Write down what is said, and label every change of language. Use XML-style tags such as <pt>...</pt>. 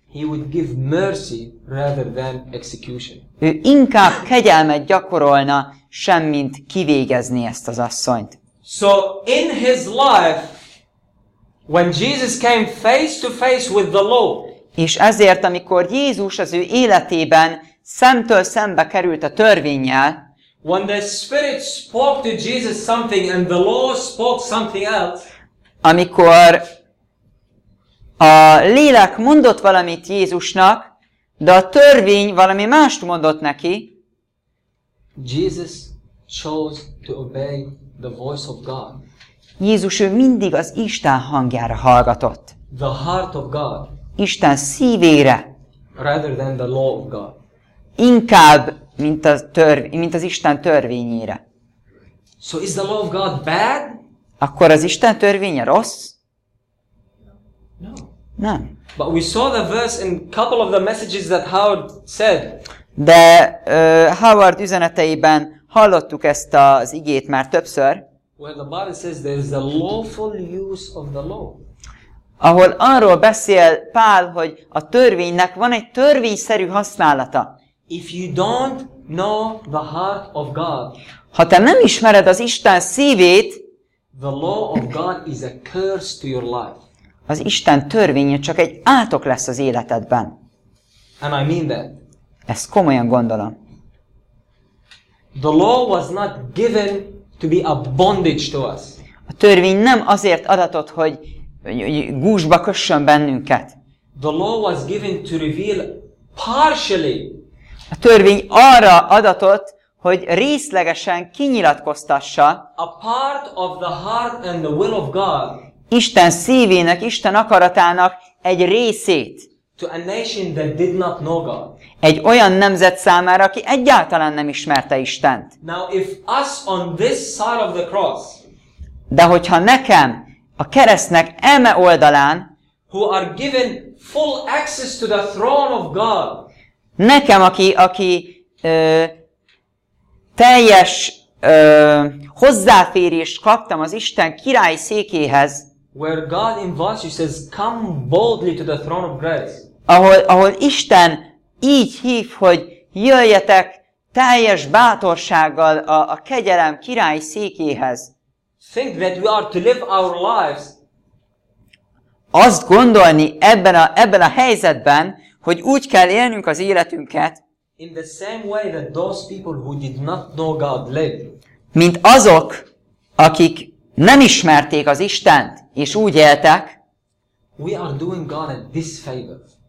<en>he would give mercy rather than execution.</en> <hu>Ő inkább kegyelmet gyakorolna, semmint kivégezni ezt az asszonyt.</hu> <en>So in his life, when Jesus came face to face with the law,</en> <hu>és ezért, amikor Jézus az ő életében szemtől szembe került a törvénnyel,</hu> <en>when the Spirit spoke to Jesus something and the law spoke something else,</en> <hu>amikor a lélek mondott valamit Jézusnak, de a törvény valami mást mondott neki,</hu> <en>Jesus chose to obey the voice of God.</en> <hu>Jézus ő mindig az Isten hangjára hallgatott.</hu> <en>The heart of God.</en> <hu>Isten szívére.</hu> <en>Rather than the law of God.</en> <hu>Inkább, mint az Isten törvényére.</hu> <en>So is the law of God bad?</en> <hu>Akkor az Isten törvénye rossz?</hu> <en>No.</en> <hu>Nem.</hu> <en>But we saw the verse in a couple of the messages that Howard said.</en> <hu>De Howard üzeneteiben hallottuk ezt az igét már többször.</hu> <en>Where the Bible says there is a lawful use of the law.</en> <hu>ahol arról beszél Pál, hogy a törvénynek van egy törvényszerű használata.</hu> <en>If you don't know the heart of God,</en> <hu>ha te nem ismered az Isten szívét,</hu> <en>the law of God is a curse to your life.</en> <hu>Az Isten törvénye csak egy átok lesz az életedben.</hu> <en>And I mean that.</en> <hu>Ezt komolyan gondolom.</hu> <en>The law was not given to be a bondage to us.</en> <hu>A törvény nem azért adatott, hogy gúzsba kössön bennünket.</hu> <en>The law was given to reveal partially.</en> <hu>A törvény arra adatott, hogy részlegesen kinyilatkoztassa</hu> <en>a part of the heart and the will of God.</en> <hu>Isten szívének, Isten akaratának egy részét.</hu> <en>To a nation that did not know God.</en> <hu>Egy olyan nemzet számára, aki egyáltalán nem ismerte Istent.</hu> <en>Now if us on this side of the cross,</en> <hu>de hogyha nekem a keresztnek eme oldalán,</hu> <en>who are given full access to the throne of God,</en> <hu>nekem aki teljes hozzáférést kaptam az Isten király székéhez,</hu> <en>where God invites you, says, come boldly to the throne of grace.</en> <hu>Ahol Isten így hív, hogy jöjjetek teljes bátorsággal a kegyelem király székéhez.</hu> <en>Think that we are to live our lives.</en> <hu>Azt gondolni ebben a helyzetben, hogy úgy kell élnünk az életünket,</hu> <en>in the same way that those people who did not know God live.</en> <hu>Mint azok, akik nem ismerték az Istent, és úgy éltek.</hu> <en>We are doing God a disfavor.</en>